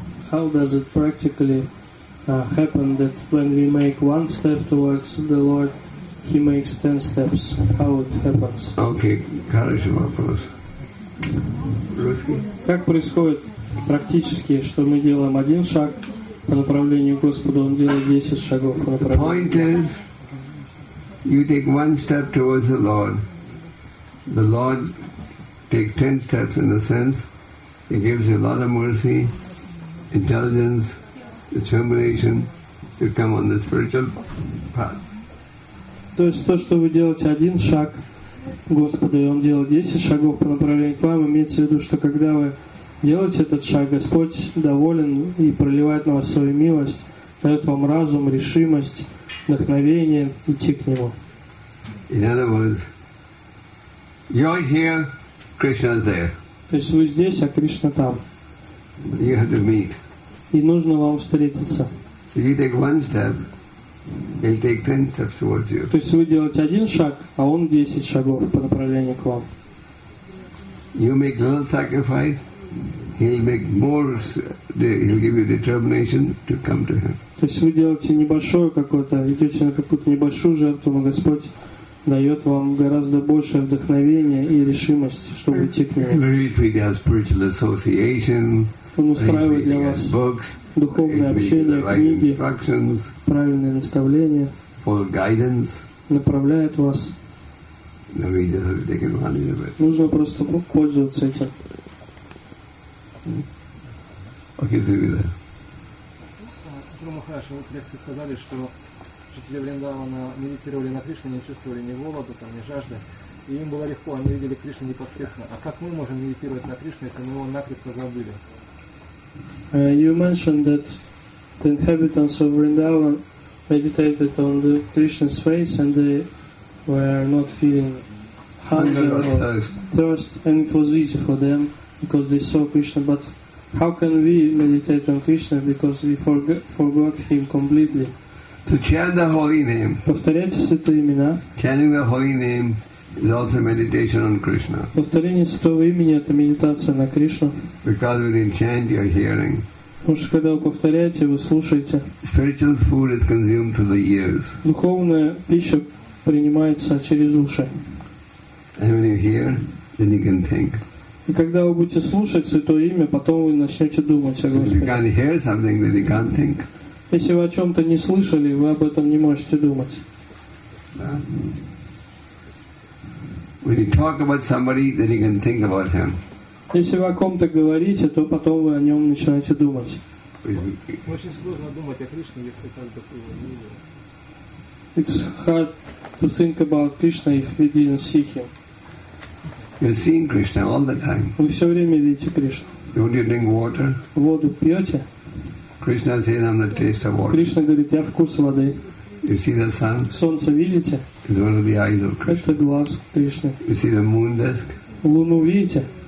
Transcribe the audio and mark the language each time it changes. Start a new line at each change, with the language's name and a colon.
English: How does it practically happen that when we make one step towards the Lord, He makes 10 steps? How it happens?
Russian: Okay, хороший вопрос. Как происходит практически, что мы делаем один шаг по направлению к Господу, Он делает 10 шагов по направлению?
English: The point is, you take one step towards the Lord takes 10 steps in the sense, He gives you a lot of mercy, intelligence, determination to come on the spiritual path.
Russian: То есть то, что вы делаете один шаг Господу, и Он делает 10 шагов по направлению к вам, имеется в виду, что когда вы делаете этот шаг, Господь доволен и проливает на вас свою милость, дает вам разум, решимость, вдохновение идти к Нему.
English: In other words, you're here, Krishna's there.
Russian: То есть вы здесь, а Кришна там.
English: You have to meet.
Russian: И нужно вам встретиться.
English: So you take one step, He'll take 10 steps towards you.
Russian: То есть вы делаете один шаг, а он 10 шагов по направлению к вам.
English: You make little sacrifice, He'll make more. He'll give you determination to come to Him.
Russian: То есть вы делаете небольшое какое-то, идете на какую-то небольшую жертву, но Господь дает вам гораздо больше вдохновения и решимости, чтобы идти к Нему.
English: Literally, our spiritual association.
Russian: Он устраивает для вас
English: books,
Russian: духовное общение, книги, правильные наставления,
English: for guidance,
Russian: направляет вас. Нужно просто пользоваться этим. Окей, ты видишь. Гуру Махараш, вы в лекции сказали, что жители Вриндавана медитировали на Кришне, не чувствовали ни голода, там, ни жажды. И им было легко, они видели Кришну непосредственно. А как мы можем медитировать на Кришну, если мы его накрепко забыли?
English: You mentioned that the inhabitants of Vrindavan meditated on the Krishna's face and they were not feeling hunger or thirst, and it was easy for them because they saw Krishna. But how can we meditate on Krishna because we forgot Him completely? To chant the holy name.
Russian: Повторяйте святые имена.
English: Chanting the holy name is also meditation on Krishna.
Russian: Повторение святого имени — это медитация на Кришну.
English: Because when you chant, you're hearing.
Russian: Потому что когда вы повторяете, вы слушаете.
English: Spiritual food is consumed through the ears.
Russian: Духовная пища принимается через уши.
English: And when you hear, then you can think.
Russian: И когда вы будете слушать святое имя, потом вы начнете думать о Господе.
English: If you can't hear something, then you can't think.
Russian: Если вы о чем-то не слышали, вы об этом не можете думать. Да.
English: When you talk about somebody, then you can think about him.
Russian: Если вы о ком-то говорите, то потом вы о нем начинаете думать. Очень сложно думать о Кришне, если как-то
English: It's hard to think about Krishna if we didn't see him. You're seeing Krishna all the time.
Russian: Вы все время видите Кришну.
English: Don't you drink water?
Russian: Воду пьете?
English: Krishna says, "I'm the taste of water."
Russian: Кришна говорит, я вкус воды.
English: You see the sun?
Russian: Солнце видите?
English: It's one of the eyes of Krishna.
Russian: Это глаз Кришны.
English: You see the moon disk?
Russian: Луну видите?